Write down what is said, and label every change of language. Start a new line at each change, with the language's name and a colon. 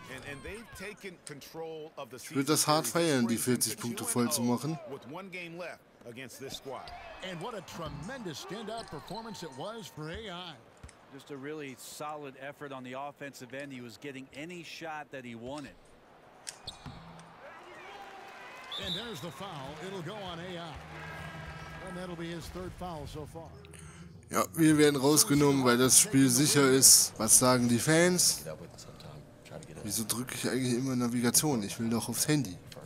English: And they've taken control of the
German: ich würde das hart feiern, die 40 Punkte voll zu machen.
English: With one game left against this squad. And what a tremendous standout performance it was for AI. Just a really solid effort on the offensive end. He was getting any shot that he wanted. And there's the foul. It'll go on AI. And that'll be his third foul so far.
German: Ja, wir werden rausgenommen, weil das Spiel sicher ist. Was sagen die Fans? Wieso drücke ich eigentlich immer Navigation? Ich will doch aufs Handy.